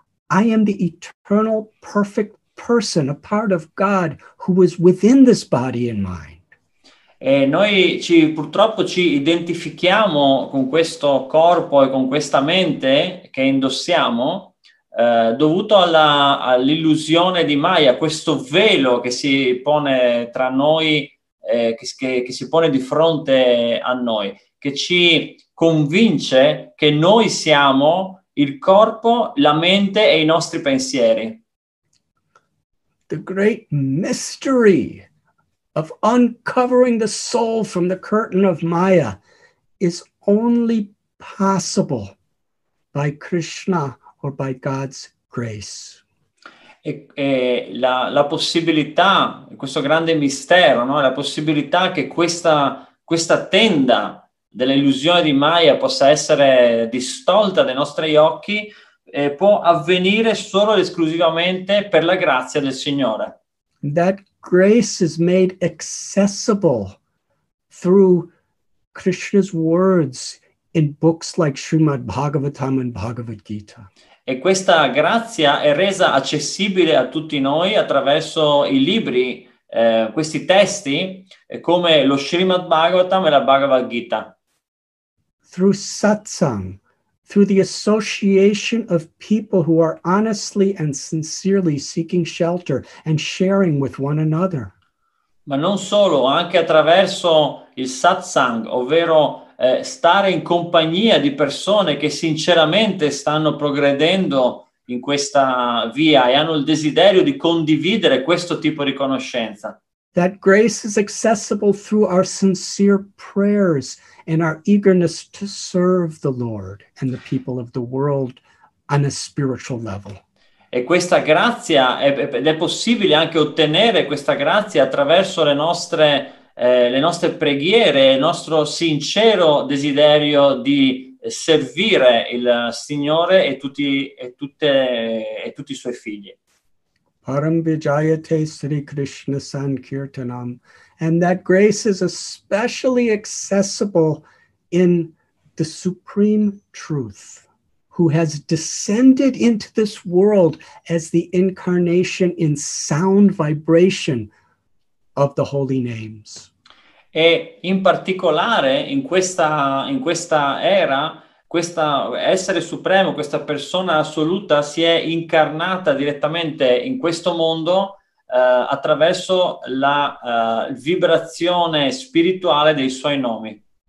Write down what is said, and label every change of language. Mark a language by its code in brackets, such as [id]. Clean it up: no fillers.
[en] I am the eternal, perfect person, a part of God who was within this body and mind. [it] E noi ci, purtroppo ci identifichiamo con questo corpo e con questa mente che indossiamo dovuto all'illusione di Maya, questo velo che si pone tra noi, che si pone di fronte a noi, che ci convince che noi siamo il corpo, la mente e i nostri pensieri. [en] The great mystery of uncovering the soul from the curtain of Maya is only possible by Krishna or by God's grace. [it] E la, la possibilità, questo grande mistero, no? La possibilità che questa, questa tenda dell'illusione di Maya possa essere distolta dai nostri occhi può avvenire solo ed esclusivamente per la grazia del Signore. [en] That grace is made accessible through Krishna's words in books like Srimad Bhagavatam and Bhagavad Gita. [it] E questa grazia è resa accessibile a tutti noi attraverso i libri, questi testi, come lo Srimad Bhagavatam e la Bhagavad Gita. [en] Through satsang, through the association of people who are honestly and sincerely seeking shelter and sharing with one another. [it] Ma non solo, anche attraverso il satsang, ovvero stare in compagnia di persone che sinceramente stanno progredendo in questa via e hanno il desiderio di condividere questo tipo di conoscenza. [en] That grace is accessible through our sincere prayers and our eagerness to serve the Lord and the people of the world on a spiritual level. [it] E questa grazia, ed è possibile anche ottenere questa grazia attraverso le nostre preghiere, il nostro sincero desiderio di servire il Signore e tutti, e tutti i suoi figli. [sa] Param Vijayate Sri Krishna Sankirtanam. [en] And that grace is especially accessible in the Supreme Truth, who has descended into this world as the incarnation in sound vibration of the holy names. [it] E in particolare in questa era, questo essere supremo, questa persona assoluta si è incarnata direttamente in questo mondo attraverso la vibrazione spirituale dei suoi nomi.